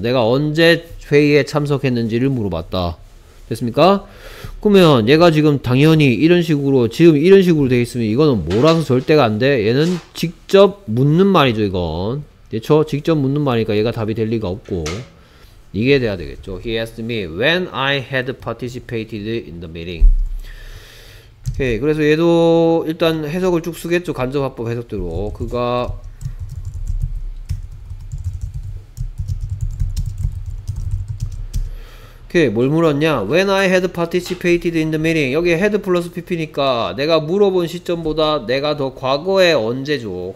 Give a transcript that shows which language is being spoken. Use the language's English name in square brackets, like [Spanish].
[Korean] 내가 언제 회의에 참석했는지를 물어봤다. 됐습니까? 그러면 얘가 지금 당연히 이런 식으로 지금 이런 식으로 돼 있으면 이거는 뭐라서 절대가 안 돼. 얘는 직접 묻는 말이죠. 이건 그렇죠? 직접 묻는 말이니까 얘가 답이 될 리가 없고 이게 돼야 되겠죠. [English] He asked me when I had participated in the meeting. [Korean] 오케이. 그래서 얘도 일단 해석을 쭉 쓰겠죠. 간접합법 해석대로 그가 오케이. 뭘 물었냐? [English] When I had participated in the meeting. [Korean] 여기 had 플러스 pp니까 내가 물어본 시점보다 내가 더 과거에 언제죠.